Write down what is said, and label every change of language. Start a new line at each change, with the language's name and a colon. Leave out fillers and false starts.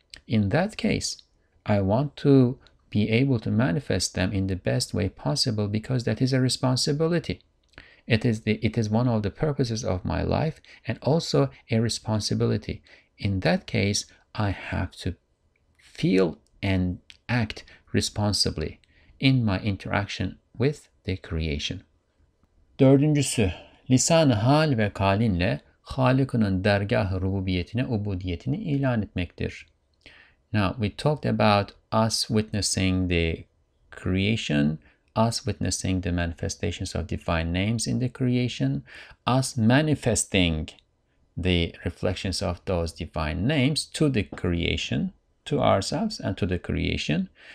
English: In that case, I want to be able to manifest them in the best way possible because that is a responsibility. It is one of the purposes of my life and also a responsibility. In that case, I have to feel and act responsibly in my interaction with the creation.
Turkish: Dördüncüsü, lisan hal ve kalinle Halık'ının dergah-ı rububiyetine ubudiyetini ilan etmektir.
English: Now, we talked about us witnessing the creation, us witnessing the manifestations of divine names in the creation, us manifesting the reflections of those divine names to the creation, to ourselves and to the creation.